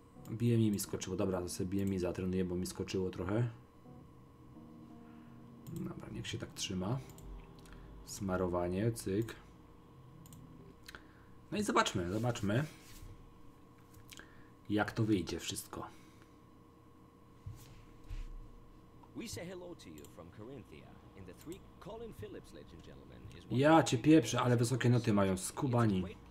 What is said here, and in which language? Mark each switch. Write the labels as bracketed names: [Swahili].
[Polish] BMI mi skoczyło, dobra, to sobie BMI zatrenuję, bo mi skoczyło trochę. Dobra, niech się tak trzyma. Smarowanie, cyk. No i zobaczmy, zobaczmy. Jak to wyjdzie wszystko. [English] We say hello to you from Corinthia. [Polish] Colin Phillips, [English] ladies and gentlemen, is one. [Polish] Ja cię pieprzę, ale wysokie noty mają skubani.